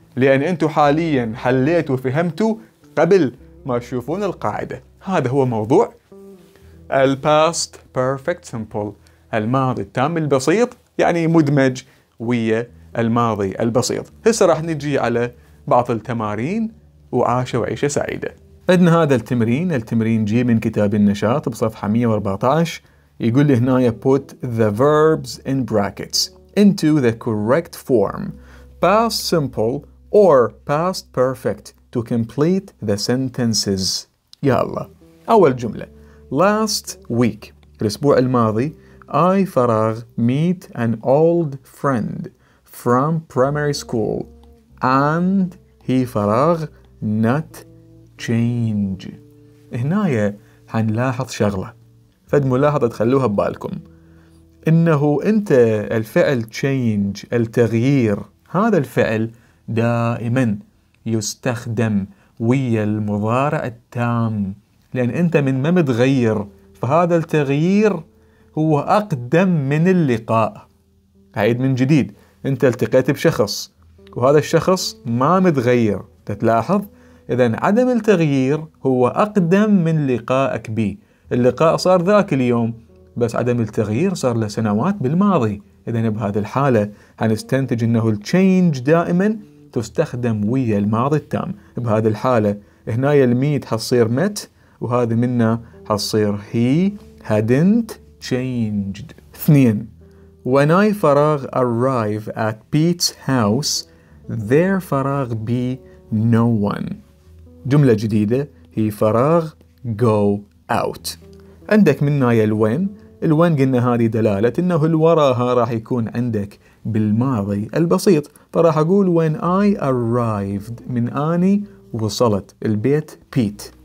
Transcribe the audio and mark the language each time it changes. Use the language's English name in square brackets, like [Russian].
[Arabic] لأن أنتوا حالياً حليتوا وفهمتوا قبل ما تشوفون القاعدة. هذا هو موضوع الـ Past Perfect Simple، الماضي التام البسيط، يعني مدمج ويا الماضي البسيط. هسه راح نجي على بعض التمارين وعاش وعيشة سعيدة. عندنا هذا التمرين، التمرين جي من كتاب النشاط بصفحة 114، يقول لي هنا [English] put the verbs in brackets into the correct form past simple or past perfect to complete the sentences. [Arabic] يلا أول جملة. [English] Last week، [Arabic] الأسبوع الماضي، [English] I فراغ meet an old friend from primary school and he فراغ not change. [Arabic] هنا حنلاحظ شغلة، فد ملاحظة تخلوها ببالكم، إنه أنت الفعل change، التغيير، هذا الفعل دائما يستخدم ويا المضارع التام، لأن أنت من ما متغير، فهذا التغيير هو أقدم من اللقاء. عيد من جديد، أنت التقيت بشخص وهذا الشخص ما متغير، تتلاحظ؟ إذن عدم التغيير هو أقدم من لقائك به. اللقاء صار ذاك اليوم، بس عدم التغيير صار لسنوات بالماضي. إذن بهذه الحالة هنستنتج أنه change دائما تستخدم ويا الماضي التام. بهذه الحالة هنا الميت حصير met، وهذا منا حصير [English] he hadn't changed. 2. When I فراغ arrive at Pete's house there فراغ be no one. [Arabic] جملة جديدة، هي فراغ [English] go out. [Arabic] عندك من ناية الوين، الوين قلنا هذه دلالة انه الوراها راح يكون عندك بالماضي البسيط، فراح اقول [English] when I arrived، [Arabic] من اني وصلت البيت بيت.